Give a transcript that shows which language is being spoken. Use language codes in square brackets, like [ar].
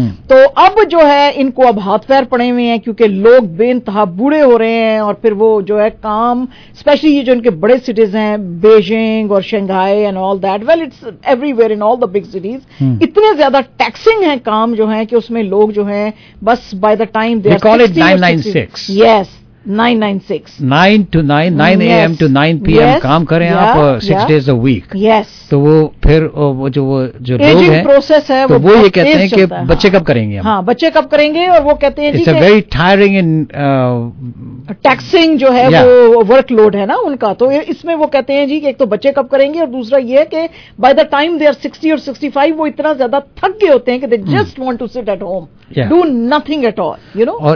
[ur] تو اب جو ہے ان کو اب ہاتھ پیر پڑے ہوئے ہیں کیونکہ لوگ بے انتہا بوڑھے ہو رہے ہیں اور پھر وہ جو ہے کام اسپیشلی یہ جو ان کے بڑے سٹیز ہیں بیجنگ اور Shanghai and all that, [en] well it's everywhere in all the big cities, [ur] اتنے زیادہ ٹیکسنگ ہے کام جو ہے کہ اس میں لوگ جو ہیں بس [en] by the time they call it 996 yes 996 9 to 9 9 AM to 9 PM [ur] کام کریں آپ [en] 6 days a week yes. [ur] تو وہ پھر جو وہ جو ایجنگ پروسیس ہے وہ یہ کہتے ہیں کہ بچے کب کریں گے, ہاں بچے کب کریں گے. اور وہ کہتے ہیں [en] it's a very tiring and [ur] taxing جو ہے وہ ورک لوڈ ہے نا ان کا. تو اس میں وہ کہتے ہیں جی کہ ایک تو بچے کب کریں گے اور دوسرا یہ کہ [en] by the time they are [ur] 60 or 65 وہ اتنا زیادہ تھک گئے ہوتے ہیں کہ [en] They just want to sit at home do nothing at all you know.